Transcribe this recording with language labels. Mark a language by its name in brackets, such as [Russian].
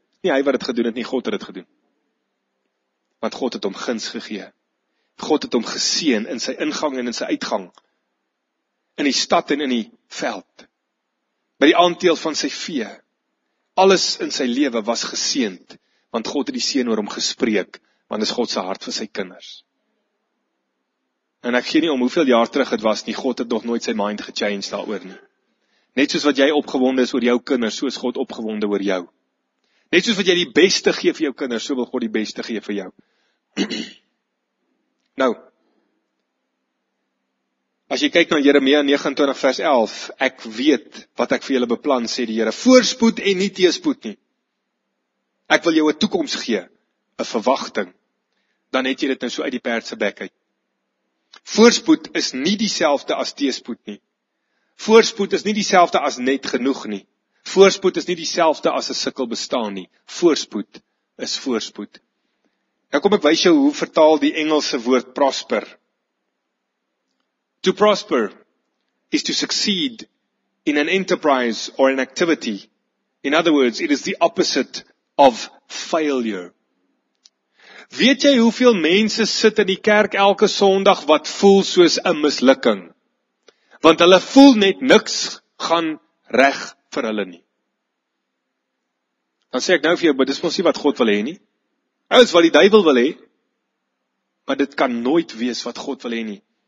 [Afrikaans] Nie hy wat het gedoen het, nie God het het gedoen. Want God het hom guns gegee. God het hom geseën in sy ingang en in sy uitgang. In die stad en in die veld. By die aandeel van sy vee. Alles in sy lewe was geseend, want God het die seën oor hom gespreek, want is God se hart vir sy kinders. En ek gee nie om hoeveel jaar terug het was nie, God het nog nooit sy mind gechange daaroor nie. Net soos wat jy opgewonde is oor jou kinders, so is God opgewonde oor jou. Net soos wat jy die beste gee vir jou kinders, so wil God die beste gee vir jou. Nou, as jy kyk na Jeremia 29 vers 11, ek weet wat ek vir julle beplan, sê die Here, voorspoed en nie teespoed nie. Ek wil jou 'n toekoms gee, 'n verwagting. Dan het jy dit nou so uit die perd se bek uit. Voorspoed is nie dieselfde as teespoed nie. Voorspoed is nie dieselfde as net genoeg nie. Voorspoed is nie dieselfde as 'n sikkel bestaan nie. Voorspoed is voorspoed. Nou kom ek wys jou hoe vertaal die Engelse woord prosper. [English] To prosper is to succeed in an enterprise or an activity. In other words, it is the opposite of failure. [Afrikaans] Weet jy hoeveel mense sit in die kerk elke Sondag wat voel soos 'n mislukking? Want hulle voel net niks gaan reg vir hulle nie. Dan sê ek nou vir jou, dit is mos nie wat God wil hê nie. Ouens wat die duiwel wil hê, maar dit kan nooit wees wat God wil hê nie.